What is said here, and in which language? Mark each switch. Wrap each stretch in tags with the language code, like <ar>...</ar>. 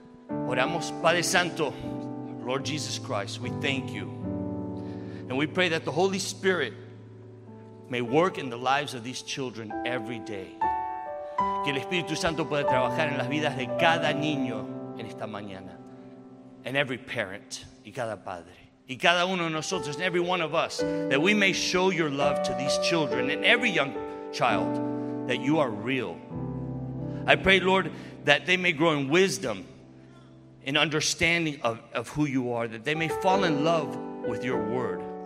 <es>Oramos, Padre Santo,</es> <en>Lord Jesus Christ, we thank you. And we pray that the Holy Spirit may work in the lives of these children every day.</en> <es>Que el Espíritu Santo pueda trabajar en las vidas de cada niño en esta mañana.</es> <en>And every parent,</en> <es>y cada padre. Y cada uno de nosotros,</es> <en>and every one of us, that we may show your love to these children and every young child, that you are real. I pray, Lord, that they may grow in wisdom and understanding of who you are, that they may fall in love with your word.</en>